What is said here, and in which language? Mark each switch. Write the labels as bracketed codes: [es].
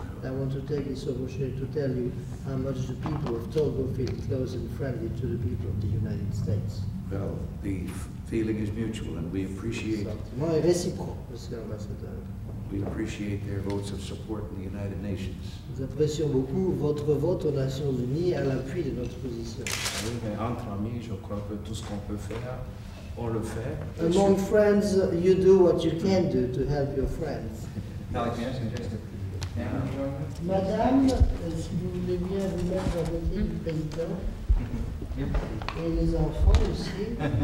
[en] And I want to take this opportunity to tell you how much the people of Togo feel close and friendly to the people of the United States. Well, the feeling is mutual, and we appreciate their votes of support in the United Nations. [fr] Nous apprécions beaucoup votre vote aux Nations Unies à l'appui de notre position. Oui, mais entre amis, je crois que tout ce qu'on peut faire, on le fait. [en] Among friends, you do what you can do to help your friends. Alex, can I suggest a [fr] Madame, si vous voulez bien vous mettre à côté du président, et les enfants aussi.